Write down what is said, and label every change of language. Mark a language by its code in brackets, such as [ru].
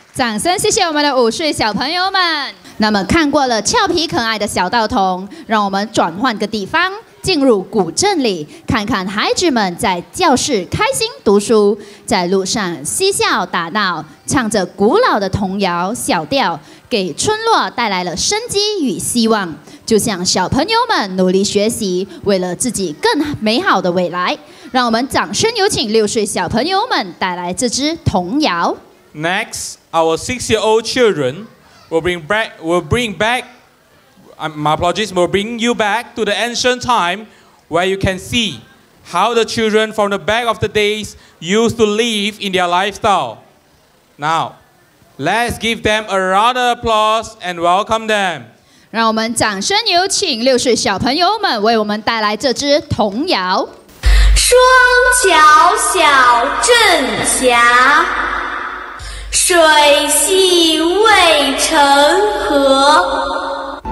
[zh] 掌声谢谢我们的五岁小朋友们。那么看过了俏皮可爱的小道童，让我们转换个地方，进入古镇里，看看孩子们在教室开心读书，在路上嬉笑打闹，唱着古老的童谣小调，给村落带来了生机与希望。就像小朋友们努力学习，为了自己更美好的未来。让我们掌声有请六岁小朋友们带来这支童谣。 [en] Next, our six-year-old children will bring you back to the ancient time where you can see how the children from the back of the days used to live in their lifestyle. Now, let's give them a round of applause and welcome them. [zh] 让我们掌声有请六岁小朋友们为我们带来这支童谣。双桥小镇峡，水系渭城河。